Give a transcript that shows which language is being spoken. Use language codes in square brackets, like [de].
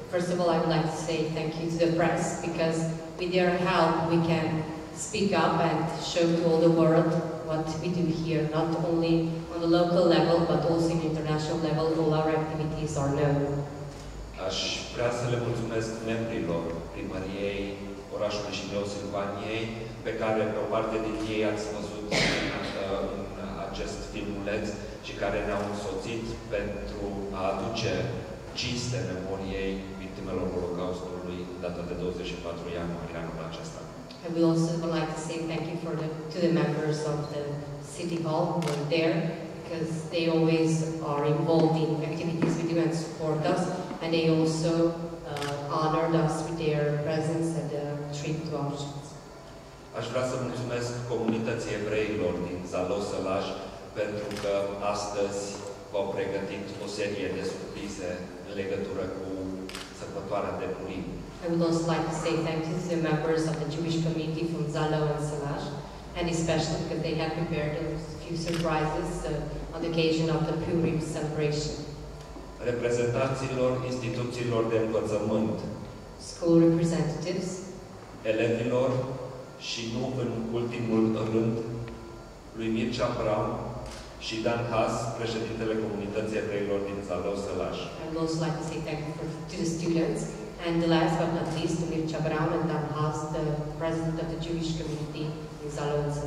[en] First of all, I would like to say thank you to the press because with their help we can speak up and show to all the world what we do here, not only on the local level, but also in international level, all our activities are known. [ro] Aș vrea să le mulțumesc membrilor primăriei orașului Șibleu, Silvaniei, pe care pe o parte din ei ați văzut în acest filmuleț și care ne-au însoțit pentru a aduce cinste memoriei victimelor Holocaustului data de 24 ianuarie anul acesta. [en] I would also like to say thank you to the members of the City Hall who are there because they always are involved in activities with you and support us and they also honored us with their presence at the trip to Auschwitz. [ro] Aș vrea să mulțumesc comunității evreilor din Zalău-Sălaș pentru că astăzi v-au pregătit o serie de surprize în legătură cu sărbătoarea de Purim. [en] I would also like to say thank you to the members of the Jewish community from Zalău and Sălaș, and especially because they have prepared a few surprises on the occasion of the Purim celebration. [ro] Reprezentanților instituțiilor de învățământ, [en] school representatives, [ro] elevilor, și nu în ultimul rând, lui Mircea Brown și Dan Haas, președintele comunității evreilor din Zalău-Sălaș. [en] I would also like to say thank you to the students, And last but not least, Mircea Abraham and Dan Haas, the president of the Jewish community in Zalău.